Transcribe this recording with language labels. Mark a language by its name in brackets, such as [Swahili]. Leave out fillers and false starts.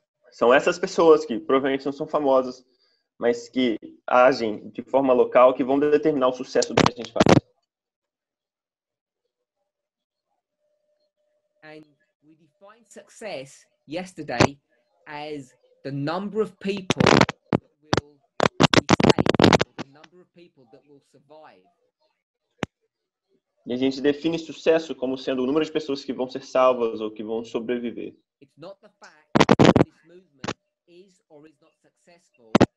[Portuguese] São essas pessoas que provavelmente não são famosas, mas que agem de forma local, que vão determinar o sucesso do que a gente faz. [English] And we define success yesterday as the number of people that will be saved, the number of people that will survive. [Portuguese] E a gente define sucesso como sendo o número de pessoas que vão ser salvas ou que vão sobreviver. [English] It's not the fact that this movement is or is not successful.